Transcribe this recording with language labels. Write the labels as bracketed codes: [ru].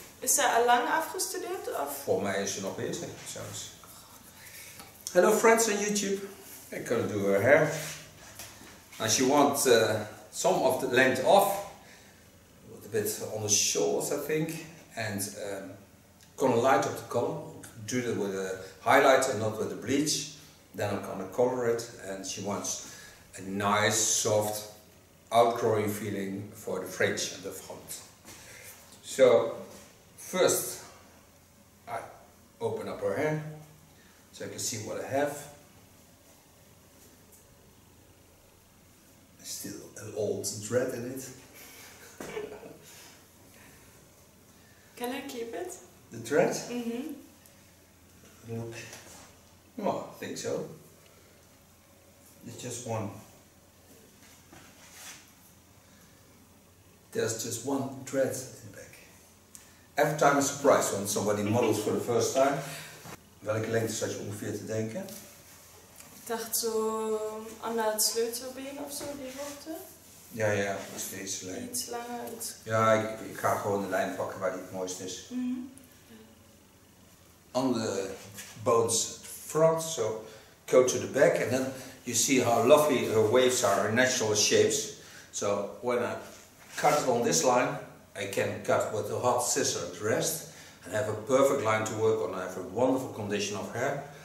[nl] Is ze al lang afgestudeerd? Of? Volgens mij is ze nog bezig, zelfs. [en] Hello friends on YouTube. I'm gonna do her hair. And she wants some of the length off. Bit on the shoulders, I think, and gonna light up the color. Do that with a highlighter, not with the bleach. Then I'm gonna color it, and she wants a nice, soft, outgrowing feeling for the fringe and the front. So, first, I open up her hair so I can see what I have. Still an old dread in it. Can I keep it? The thread? Mm-hmm. Look. Well, I think so. It's just one. There's just one thread in the back. Every time I'm surprised when somebody models for the first time. [nl] Welke lengte zat je ongeveer te denken? Ik dacht zo aan het sleutelbeen of zo, die hoogte. Ja, ja, is deze lijn. Iets langer. Iets... Ja, ik ga gewoon de lijn pakken waar die het mooist is. Mm-hmm. [en] On the bones front, so go to the back and then you see how lovely her waves are, her natural shapes. So when I cut it on this line, I can cut with a hot scissor the rest and have a perfect line to work on. I have a wonderful condition of hair.